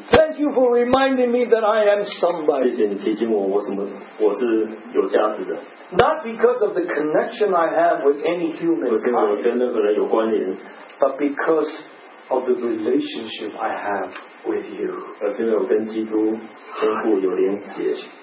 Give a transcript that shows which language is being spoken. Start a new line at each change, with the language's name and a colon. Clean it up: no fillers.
English: Thank you for reminding me that I am somebody.
Chinese: 谢谢你提醒我，我什么，我是有价值的。
English: Not because of the connection I have with any human.
Chinese: 不是我跟任何人有关联。
English: But because of the relationship I have with you.
Chinese: 而是因为我跟基督天父有连结。